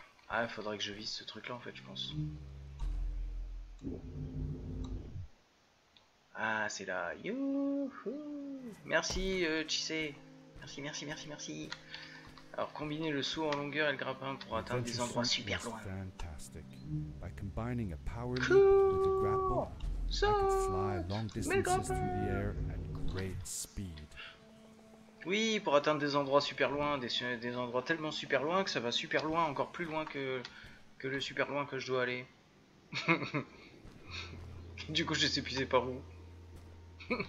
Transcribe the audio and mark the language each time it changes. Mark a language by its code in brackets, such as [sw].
[fr] Ah, il faudrait que je vise ce truc-là, en fait, je pense. Ah, c'est là. Youhou. Merci, Chise. Merci, merci, merci, merci. Alors, combiner le saut en longueur et le grappin pour atteindre des endroits super loin. [en] Fantastic. By combining a power leap with a grapple, so, I can fly long distances through the air at great speed. [fr] Oui, pour atteindre des endroits super loin, des endroits tellement super loin que ça va super loin, encore plus loin que le super loin que je dois aller. Du coup, je sais plus c'est par où.